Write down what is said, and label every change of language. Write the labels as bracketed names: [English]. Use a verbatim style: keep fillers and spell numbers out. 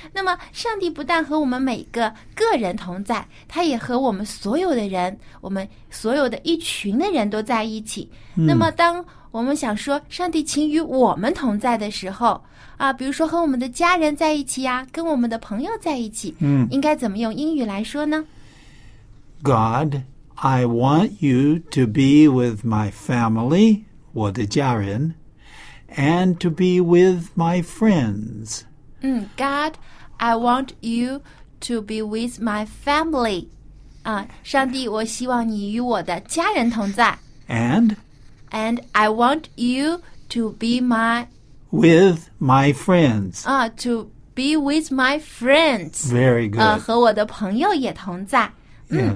[Chinese] 那么上帝不但和我们每个个人同在，他也和我们所有的人，我们所有的一群的人都在一起。嗯，那么当我们想说上帝请与我们同在的时候啊，比如说和我们的家人在一起呀、啊，跟我们的朋友在一起，嗯，应该怎么用英语来说呢？ [English] God, I want you to be with my family, [Chinese] 我的家人 [English] and to be with my friends. 嗯 God, I want you to be with my family. [Chinese] 啊，上帝，我希望你与我的家人同在。 [English] And? And I want you to be my... With my friends. 啊 to be with my friends. Very good. [Chinese] 啊，和我的朋友也同在。嗯，